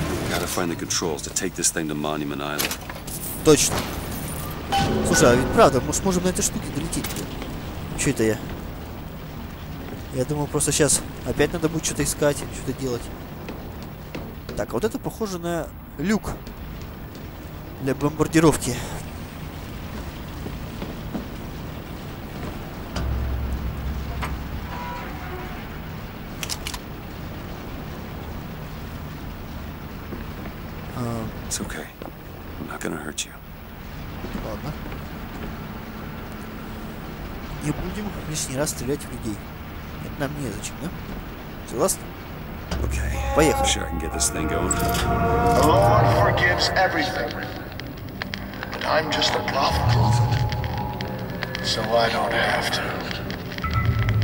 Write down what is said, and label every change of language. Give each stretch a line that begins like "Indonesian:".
English: Gotta find the controls to take this thing to Monument Island.
Russian: Точно. Слушай, а ведь правда, мы сможем на этой штуке долететь. Чё это я? Я думаю, просто сейчас опять надо будет что-то искать, что-то делать. Так, а вот это похоже на люк. Для бомбардировки.
English: It's okay. I'm not gonna hurt you.
Russian: Ладно. Не будем лишний раз стрелять в людей. Это нам не зачем, да? Согласны?
English: Okay.
Russian: Поехали.
English: Sure, I can get this thing going. The Lord forgives everything. I'm just a prophet, so I don't have to.